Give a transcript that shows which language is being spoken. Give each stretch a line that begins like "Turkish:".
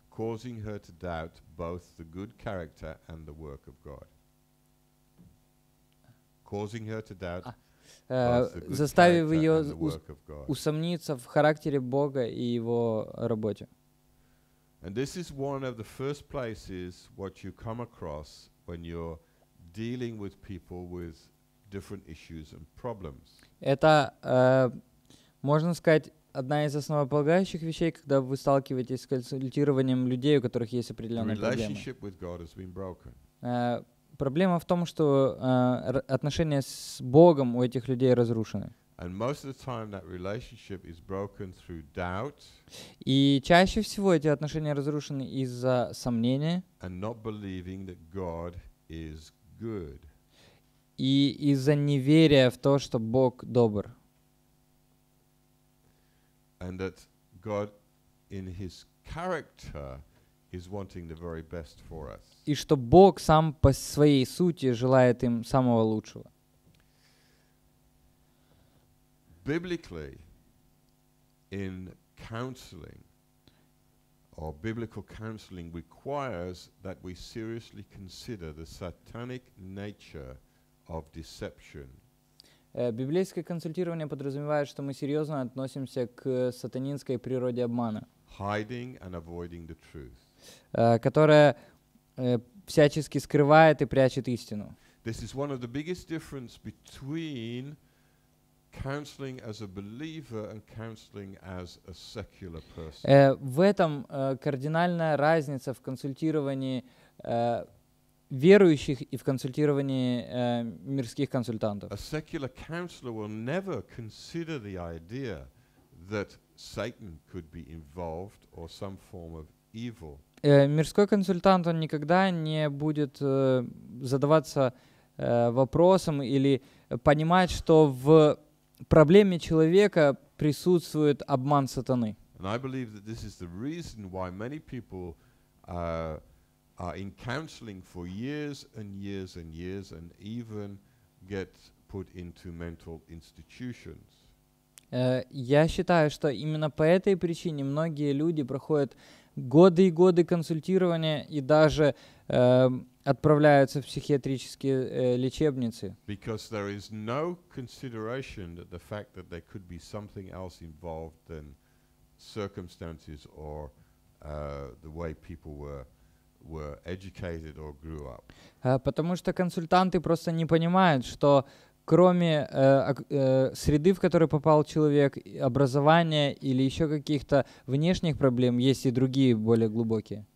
English: Causing her to doubt both the good character and the work of God. Causing her to doubt
Russian: заставив ее усомниться в характере Бога и его работе.
English: And this is one of the first places what you come across when you're dealing with people with different issues and problems.
Russian: Это, можно сказать, одна из основополагающих вещей, когда вы сталкиваетесь с консультированием людей, у которых есть определенные проблемы.
English: Relationship with God has been broken.
Russian: Проблема в том, что отношения с Богом у этих людей разрушены.
English: And most of the time that relationship is broken through doubt.
Russian: И чаще всего эти отношения разрушены из-за сомнения.
English: And not believing that God is good.
Russian: И из-за неверия в то, что Бог добр.
English: And that God in his character is wanting the very best for us.
Russian: И что Бог сам по своей сути желает им самого лучшего.
English: Biblically, in counseling, or biblical counseling requires that we seriously consider the satanic nature of deception.
Russian: Библейское консультирование подразумевает, что мы серьезно относимся к сатанинской природе обмана.
English: Hiding and avoiding the truth.
Russian: Которая всячески скрывает и прячет истину.
English: This is one of the biggest difference between counseling as a believer and counseling as a secular person.
Russian: В этом кардинальная разница в консультировании верующих и в консультировании мирских консультантов.
English: A secular counselor will never consider the idea that Satan could be involved or some form of evil.
Russian: Мирской консультант, он никогда не будет задаваться вопросом или понимать, что в проблеме человека присутствует обман сатаны.
English: And I believe that this is the reason why many people are in counseling for years and years and years and even get put into mental institutions.
Russian: Я считаю, что именно по этой причине многие люди проходят годы и годы консультирования и даже отправляются в психиатрические лечебницы.
English: Because there is no consideration that the fact that there could be something else involved than circumstances or the way people were educated or grew up.
Russian: Потому что консультанты просто не понимают, что кроме среды, в которой попал человек, образования или еще каких-то внешних проблем, есть и другие более глубокие.